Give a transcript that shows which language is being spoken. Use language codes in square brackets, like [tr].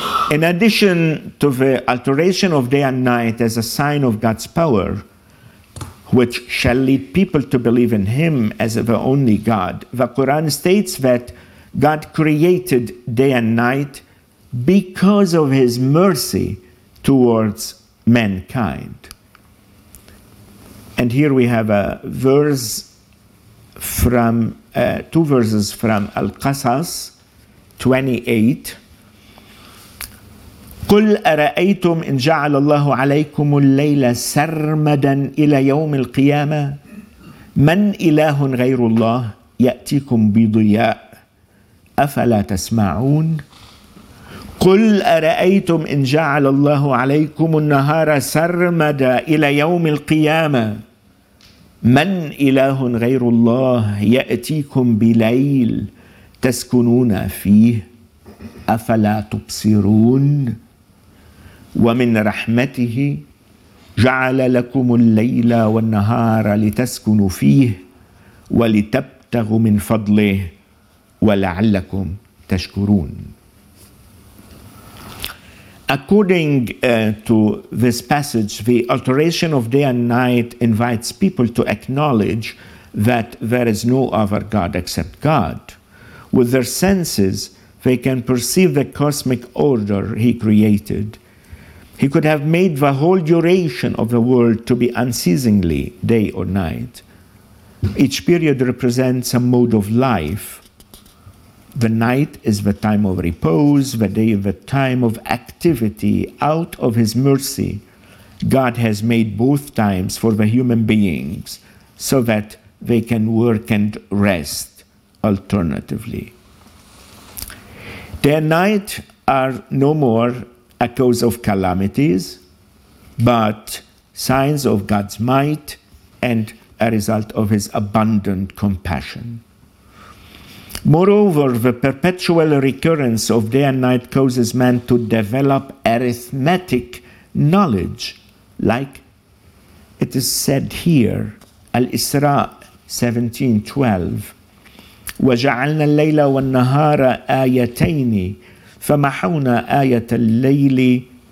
[en] In addition to the alteration of day and night as a sign of God's power, which shall lead people to believe in Him as the only God, the Quran states that God created day and night because of His mercy towards mankind. And here we have a verse from two verses from Al-Qasas 28. [ar] قل أرأيتم إن جعل الله عليكم الليل سرمدا إلى يوم القيامة من إله غير الله يأتيكم بضياء أفلا تسمعون قل أرأيتم إن جعل الله عليكم النهار سرمدا إلى يوم القيامة من إله غير الله يأتيكم بليل تسكنون فيه أفلا تبصرون وَمِنْ رَحْمَتِهِ جَعَلَ لَكُمُ اللَّيْلَ وَالنَّهَارَ لِتَسْكُنُوا فِيهِ وَلِتَبْتَغُوا مِنْ فَضْلِهِ وَلَعَلَّكُمْ تَشْكُرُونَ. [en] According to this passage, the alteration of day and night invites people to acknowledge that there is no other God except God. With their senses, they can perceive the cosmic order He created. He could have made the whole duration of the world to be unceasingly day or night. Each period represents a mode of life. The night is the time of repose, the day the time of activity. Out of His mercy, God has made both times for the human beings so that they can work and rest alternatively. Day and night are no more a cause of calamities, but signs of God's might and a result of His abundant compassion. Moreover, the perpetual recurrence of day and night causes man to develop arithmetic knowledge, like it is said here, Al-Isra 17:12, [ar] وَجَعَلْنَا اللَّيْلَ وَالنَّهَارَ آيَتَيْنِ فَمَحَوْنَا آيَةَ اللَّيْلِ